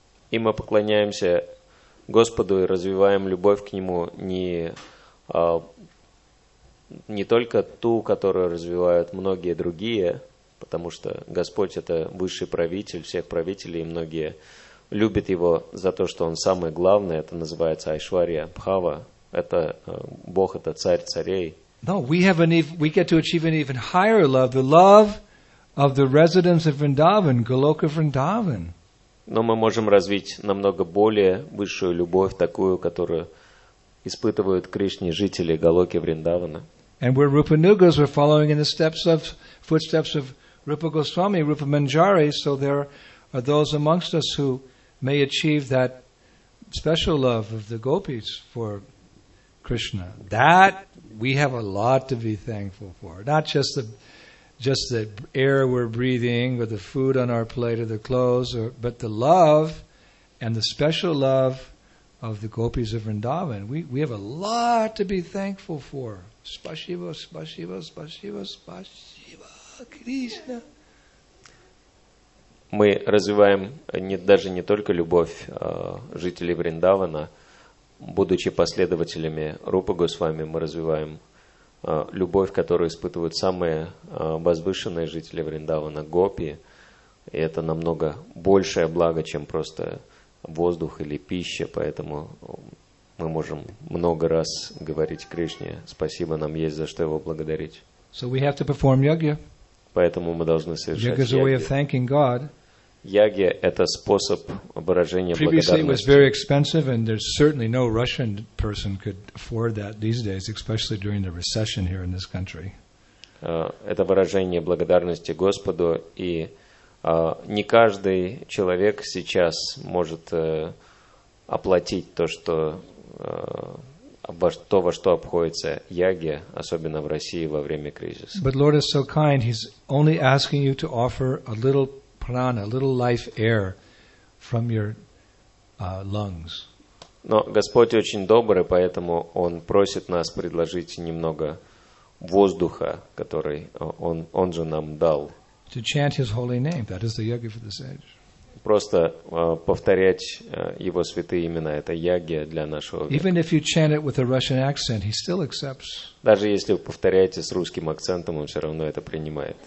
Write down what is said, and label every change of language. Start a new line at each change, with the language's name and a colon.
Russian: И мы поклоняемся Господу и развиваем любовь к Нему не только ту, которую развивают многие другие, потому что Господь – это высший правитель всех правителей, и многие любят Его за то, что Он самый главный. Это называется Айшвария Бхава. Это Бог, это Царь царей.
English: No, we get to achieve an even higher love, the love of the residents of Vrindavan, Goloka Vrindavan.
Russian: Но мы можем развить намного более высшую любовь, такую, которую испытывают Кришне жители Голоки Вриндавана.
English: And we're Rupa Nugas, we're following in the footsteps of Rupa Goswami, Rupa Manjari, so there are those amongst us who may achieve that special love of the gopis for Krishna. That we have a lot to be thankful for. Not just the air we're breathing, or the food on our plate, or the clothes, but the love and the special love of the gopis of Vrindavan. We have a lot to be thankful for.
Russian: Спасибо, спасибо, спасибо, спасибо, Кришна. Мы развиваем даже не только любовь жителей Вриндавана, будучи последователями Рупы Госвами, мы развиваем любовь, которую испытывают самые возвышенные жители Вриндавана, гопи. И это намного большее благо, чем просто воздух или пища, поэтому мы можем много раз говорить Кришне спасибо, нам есть за что Его благодарить.
English: So we have to perform yagya.
Russian: Поэтому мы должны совершать
English: Yagya is a way of thanking God.
Russian: Yagya – это способ выражения благодарности.
English: Previously it was very expensive, and there's certainly no Russian person could afford that these days, especially during the recession here in this country.
Russian: Это выражение благодарности Господу, и не каждый человек сейчас может оплатить то, что во что обходится ягья, особенно в России во время кризиса.
English: But Lord is so kind, He's only asking you to offer a little prana, a little life air from your lungs.
Russian: Но Господь очень добрый, поэтому Он просит нас предложить немного воздуха, который Он же нам дал.
English: To chant His holy name, that is the yagya for this age.
Russian: Просто повторять Его святые имена, это ягья для нашего века.
English: Even if you chant it with a Russian accent, He still accepts.
Russian: Даже если вы повторяете с русским акцентом, Он все равно это принимает.